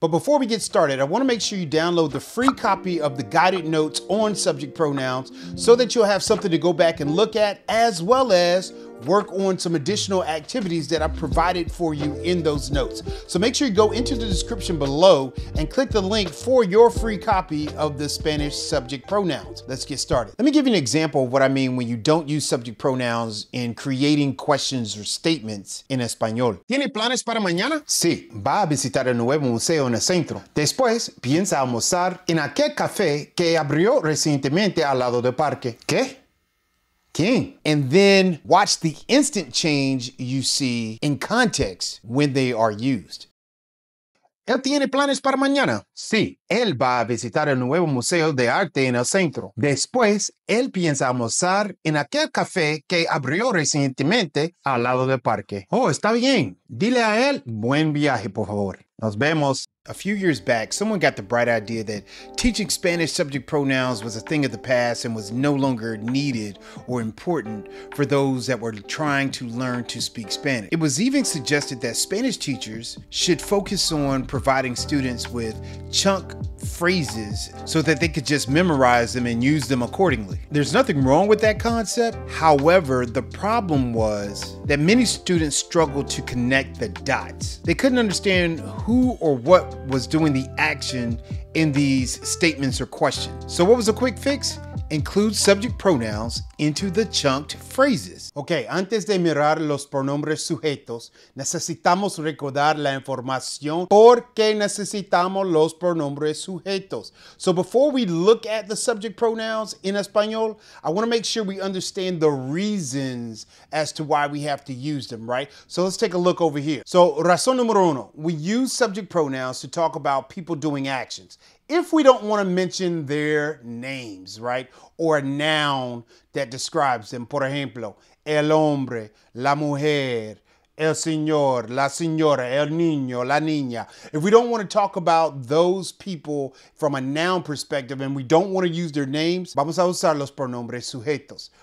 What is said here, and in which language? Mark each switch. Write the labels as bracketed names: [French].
[English] But before we get started, I want to make sure you download the free copy of the guided notes on subject pronouns so that you'll have something to go back and look at, as well as work on some additional activities that I've provided for you in those notes. So make sure you go into the description below and click the link for your free copy of the Spanish subject pronouns. Let's get started. Let me give you an example of what I mean when you don't use subject pronouns in creating questions or statements in Espanol. [Spanish] ¿Tiene planes para mañana? Sí, va a visitar el nuevo museo en el centro. Después, piensa almorzar en aquel café que abrió recientemente al lado del parque. ¿Qué? [English] King. And then watch the instant change you see in context when they are used. [Spanish] ¿Él tiene planes para mañana? Sí. Él va a visitar el nuevo museo de arte en el centro. Después, él piensa almorzar en aquel café que abrió recientemente al lado del parque. Oh, está bien. Dile a él, buen viaje, por favor. Nos vemos. [English] A few years back, someone got the bright idea that teaching Spanish subject pronouns was a thing of the past and was no longer needed or important for those that were trying to learn to speak Spanish. It was even suggested that Spanish teachers should focus on providing students with chunk phrases so that they could just memorize them and use them accordingly. There's nothing wrong with that concept. However, the problem was that many students struggled to connect the dots. They couldn't understand who or what was doing the action in these statements or questions. So what was a quick fix? Include subject pronouns into the chunked phrases. [Spanish] Okay, antes de mirar los pronombres sujetos, necesitamos recordar la información porque necesitamos los pronombres sujetos. [English] So before we look at the subject pronouns in Espanol, I want to make sure we understand the reasons as to why we have to use them, right? So let's take a look over here. So [Spanish] razón número uno, [English] we use subject pronouns to talk about people doing actions. If we don't want to mention their names, right? Or a noun that describes them. [Spanish] Por ejemplo, el hombre, la mujer, el señor, la señora, el niño, la niña. [English] If we don't want to talk about those people from a noun perspective and we don't want to use their names, [Spanish] vamos a usar los pronombres sujetos.